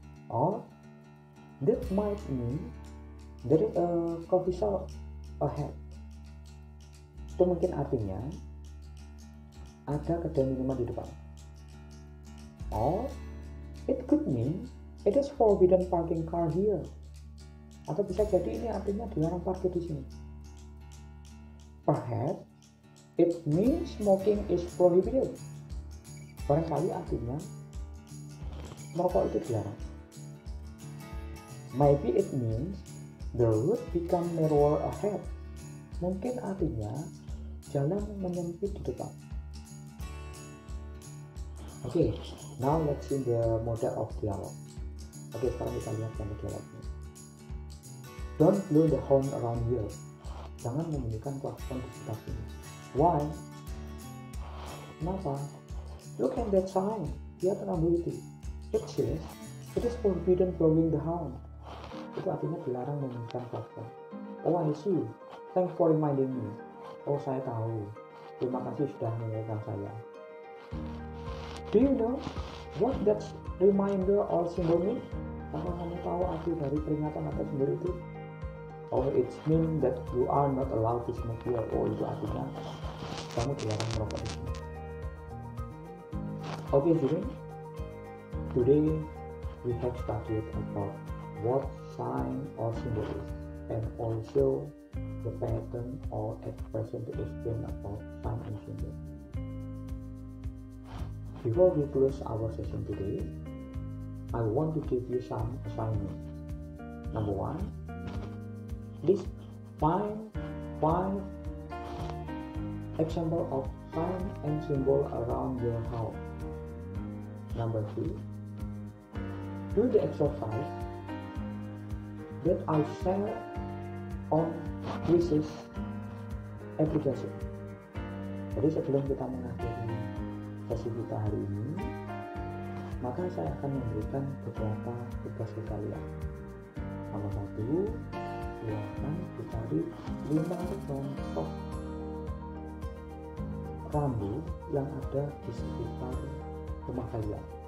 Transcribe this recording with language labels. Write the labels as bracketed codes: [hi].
[en] Or that might mean there is a coffee shop ahead. [id] Itu mungkin artinya ada kedai minuman di depan. [en] Or it could mean it is forbidden parking car here. [id] Atau bisa jadi ini artinya dilarang parkir di sini. [en] Perhaps it means smoking is prohibited. [id] Barangkali artinya merokok itu dilarang. [en] Maybe it means the road become narrower ahead. [id] Mungkin artinya jalan menyempit di depan. [en] Oke, okay, now let's see the model of dialogue. [id] Oke, okay, sekarang kita lihat yang dialognya. [en] Don't blow the horn around here. [id] Jangan membunyikan klakson di sekitar sini. [en] Why? [id] Kenapa? [en] Look at that sign. [id] Lihat rambu itu. [en] It says, it is forbidden blowing the horn. [id] Itu artinya dilarang membunyikan klakson. [en] Oh, I see. Thanks for reminding me. [id] Oh, saya tahu. Terima kasih sudah mengingatkan saya. [en] Do you know what that reminder or symbol means? [id] Apa kamu tahu arti dari peringatan atau symbol itu? [en] Oh, it means that you are not allowed to smoke here. [id] Oh, itu artinya kamu dilarang merokok di sini. [en] Okay, student. Today we have started about what sign or symbol is, and also the pattern or expression to explain about sign and symbol. Before we close our session today, I want to give you some assignments. Number one, please find 5 examples of sign and symbol around your house. Number two, do the exercise that I share on research application. [id] Jadi sebelum kita mengakhiri sesi kita hari ini, maka saya akan memberikan beberapa tugas ke kalian. Nomor satu, silakan dicari 5 contoh rambu yang ada di sekitar rumah kalian.